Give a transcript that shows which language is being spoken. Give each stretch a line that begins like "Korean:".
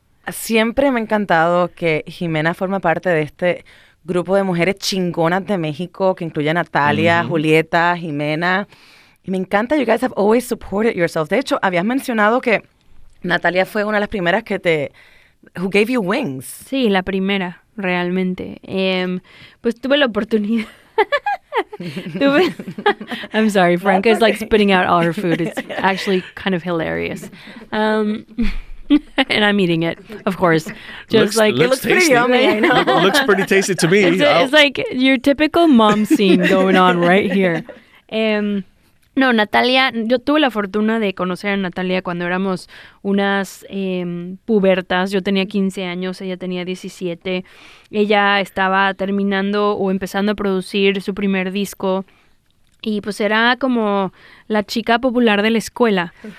Spanish: Siempre me ha encantado que Jimena forma parte de este grupo de mujeres chingonas de México que incluye a Natalia, uh-huh. Julieta, Jimena. Y me encanta,
English: you guys have always supported yourself.
Spanish: De hecho, habías mencionado que Natalia fue una de las primeras que te...
English: who gave you wings.
Spanish: Sí, la primera, realmente. Pues tuve la oportunidad.
English: I'm sorry, Frank is like spitting out all her food. It's actually kind of hilarious. And I'm eating it, of course. Just looks, like looks it looks tasty. Pretty yummy. looks pretty tasty to me. It's like your typical mom scene going on right here.
Spanish: No, Natalia, yo tuve la fortuna de conocer a Natalia cuando éramos unas pubertas. Yo tenía 15 años, ella tenía 17. Ella estaba terminando o empezando a producir su primer disco. Y pues era como la chica popular de la escuela.